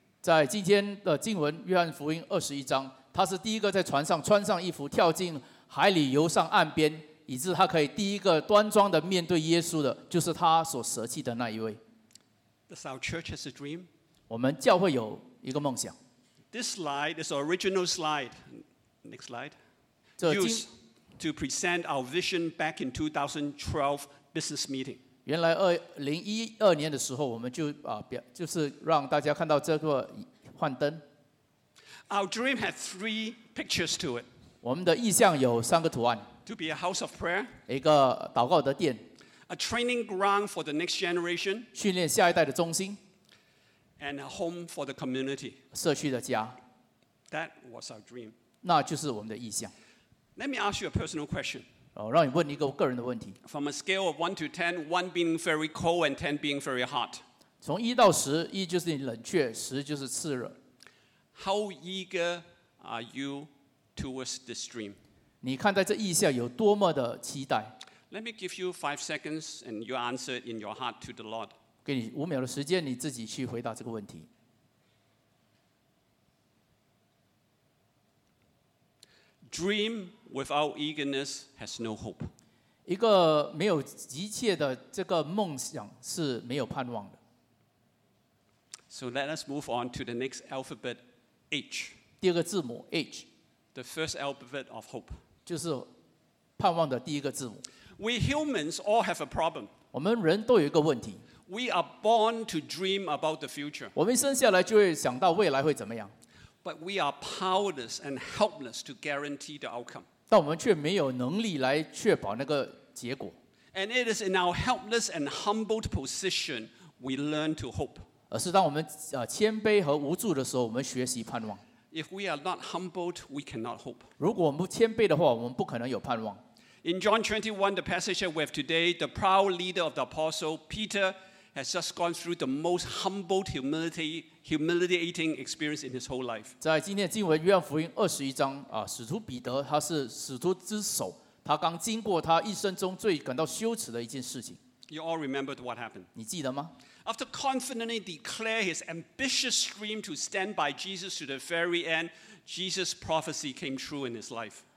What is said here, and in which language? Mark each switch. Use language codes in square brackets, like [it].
[zh] 在今天的经文，约翰福音21章，他是第一个在船上穿上衣服跳进海里游上岸边，以致他可以第一个端庄的面对耶稣的，就是他所舍弃的那一位。 [en] Does our church has a dream? [zh] 我们教会有一个梦想。 [en] This slide is the original slide. Next slide. Used to present our vision back in 2012 business meeting. [zh] 原来2012年的时候，我们就是让大家看到这个幻灯。 [en] Our dream had three pictures to it. [zh] 我们的意象有三个图案 [en] ：to be a house of prayer， [zh] 一个祷告的殿 [en] ；a training ground for the next generation， [zh] 训练下一代的中心 [en] ；and a home for the community， [zh] 社区的家。 [en] That was our dream。 [zh] 那就是我们的意象。 [en] Let me ask you a personal question。 [zh] 让你问一个我个人的问题。 [en] From a scale of 1 to 10， 1 being very cold and 10 being very hot。 [zh] 从1到10，一就是你冷却，十就是炽热。 [en] How eager are you？ Towards this dream. [zh] 你看待这意象有多么的期待。 [en] Let me give you 5 seconds and you answer in your heart to the Lord. [zh] 给你5秒的时间，你自己去回答这个问题。 [en] Dream without eagerness has no hope. [zh] 一个没有急切的这个梦想是没有盼望的。 [en] So let us move on to the next alphabet, H. [zh] 第二个字母 H. [en] The first alphabet of hope. [zh] 就是盼望的第一个字母。 [en] We humans all have a problem. [zh] 我们人都有一个问题。 [en] We are born to dream about the future. [zh] 我们生下来就会想到未来会怎么样。 [en] But we are powerless and helpless to guarantee the outcome. [zh] 但我们却没有能力来确保那个结果。 [en] And it is in our helpless and humbled position we learn to hope. [zh] 而是当我们谦卑和无助的时候，我们学习盼望。 [en] If we are not humbled, we cannot hope. [zh] 如果我们不谦卑的话，我们不可能有盼望。 [en] In John 21, the passage that we have today, the proud leader of the apostle, Peter, has just gone through the most humbled humiliating experience in his whole life. [zh] 在今天的经文约翰福音二十一章啊，使徒彼得他是使徒之首，他刚经过他一生中最感到羞耻的一件事情。 [en] You all remember what happened? [zh] 你记得吗？ [en] After confidently declare his ambitious dream to stand by Jesus to the very end, Jesus' prophecy came true in his life.